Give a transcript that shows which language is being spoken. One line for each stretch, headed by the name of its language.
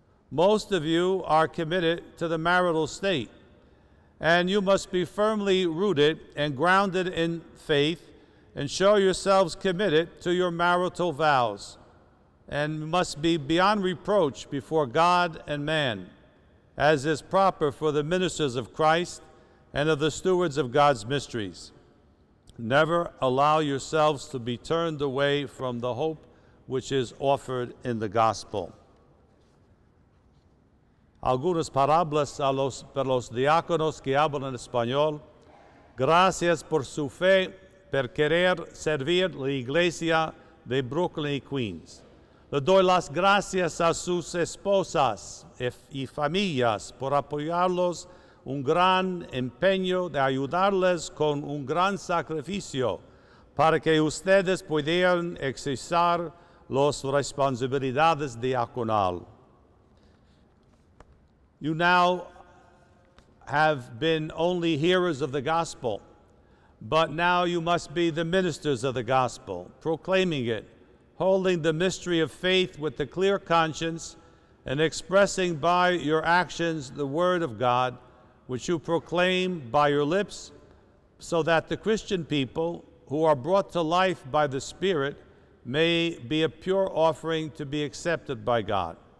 English: Most of you are committed to the marital state, and you must be firmly rooted and grounded in faith and show yourselves committed to your marital vows and must be beyond reproach before God and man, as is proper for the ministers of Christ and of the stewards of God's mysteries. Never allow yourselves to be turned away from the hope which is offered in the gospel.
Spanish: Algunas palabras a los, para los diáconos que hablan en español. Gracias por su fe, por querer servir la iglesia de Brooklyn y Queens. Le doy las gracias a sus esposas y familias por apoyarlos un gran empeño de ayudarles con un gran sacrificio para que ustedes pudieran exercer las responsabilidades diaconal.
English: You now have been only hearers of the gospel, but now you must be the ministers of the gospel, proclaiming it, holding the mystery of faith with a clear conscience, and expressing by your actions the word of God, which you proclaim by your lips, so that the Christian people, who are brought to life by the Spirit, may be a pure offering to be accepted by God.